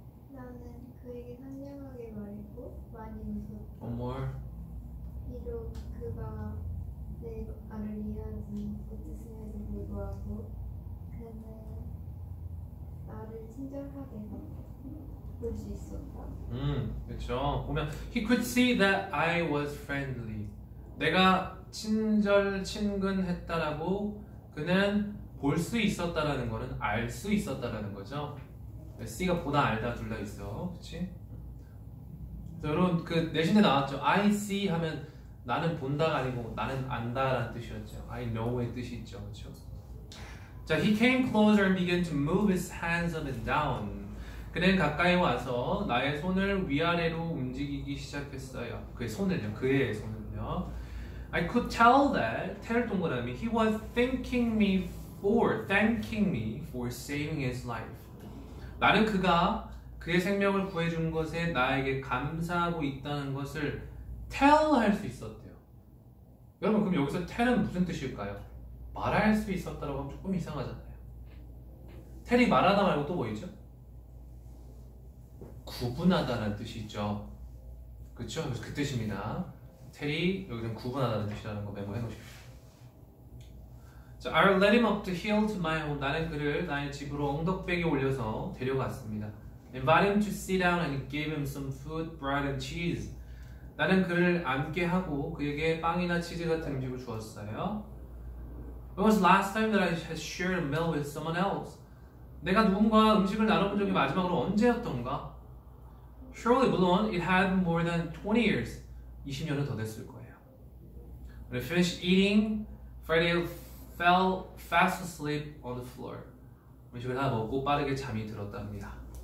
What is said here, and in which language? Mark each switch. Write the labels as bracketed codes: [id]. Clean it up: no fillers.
[ko] 나는 그에게 선명하게 말했고 많이 웃었다. 어머. 비록 그가 내 말을 이해하지 못했음에도 불구하고 그는 나를 친절하게 볼수 있었다. 그쵸. 보면 [en] he could see that I was friendly. [ko] 내가 친근했다라고 그는 볼수 있었다라는 거는 알수 있었다라는 거죠. C가 보다 알다 둘다 있어, 그렇지? 여러분 그 내신에 나왔죠. I see 하면 나는 본다가 아니고 나는 안다라는 뜻이었죠. I know의 뜻이 있죠, 그렇죠? [en] 자, he came closer and began to move his hands up and down. [ko] 그는 가까이 와서 나의 손을 위아래로 움직이기 시작했어요. 그의 손을요, 그의 손을요. [en] I could tell that [ko] 텔 동그라미 [en] he was thanking me for saving his life. [ko] 나는 그가 그의 생명을 구해준 것에 나에게 감사하고 있다는 것을 tell 할수 있었대요. 여러분 그럼 여기서 tell은 무슨 뜻일까요? 말할 수 있었다라고 하면 조금 이상하잖아요. tell이 말하다 말고 또 뭐이죠? 구분하다라는 뜻이죠. 그렇죠? 그래서 그 뜻입니다. tell이 여기는 구분하다는 뜻이라는 거 메모해 놓으십시오. [en] So I led him up the hill to my home. [ko] 나는 그를 나의 집으로 언덕배기 올려서 데려갔습니다. [en] Invited him to sit down and gave him some food, bread and cheese. [ko] 나는 그를 앉게 하고 그에게 빵이나 치즈 같은 음식을 주었어요. [en] When was the last time that I had shared a meal with someone else? [ko] 내가 누군가와 음식을 나눠본 적이 마지막으로 언제였던가? [en] Surely, [ko] 물론, [en] it had more than 20 years. [ko] 20년은 더 됐을 거예요. [en] When I finished eating, Friday fell fast asleep on the floor. [ko] 음식을 다 먹고 빠르게 잠이 들었답니다.